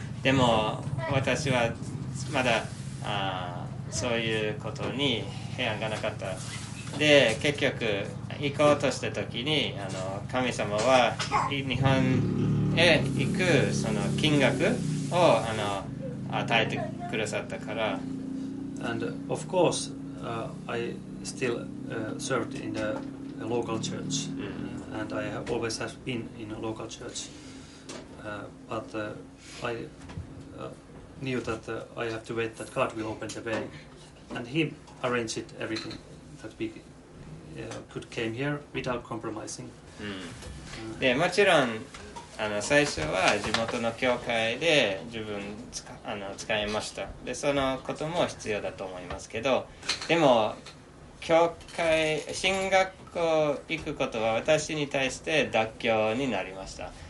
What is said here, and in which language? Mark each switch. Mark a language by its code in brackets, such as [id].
[ja] でも私はまだそういうことに平安がなかった。で、結局行こうとした時に神様は日本へ行くその金額を与えてくださったから。 [en] And of course, I still served in the local church. And I have always have been in a local church, but I knew that I have to wait that God will open the way, and He arranged it everything that we could came here without compromising. [ja] で、もちろん最初は地元の教会で自分使いました。で、そのことも必要だと思いますけど、でも教会進学校行くことは私に対して妥協になりました。